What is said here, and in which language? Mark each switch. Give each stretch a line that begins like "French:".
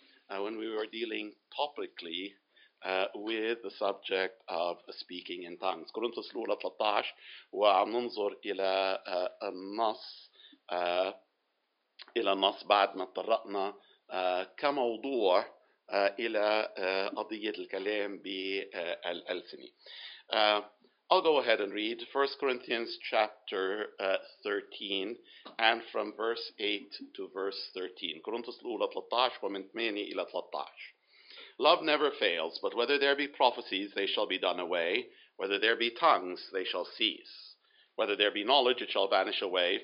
English: when we were dealing topically with the subject of speaking in tongues.
Arabic: Korintoslula 13, wa ننظر إلى النص إلى النص بعد ما تطرقنا كموضوع إلى قضية الكلام بالألسنة.
English: I'll go ahead and read 1 Corinthians chapter 13 and from verse 8 to verse 13.
Arabic: Korintos lula 13, ومن 8 إلى 13.
English: Love never fails, but whether there be prophecies, they shall be done away. Whether there be tongues, they shall cease. Whether there be knowledge, it shall vanish away.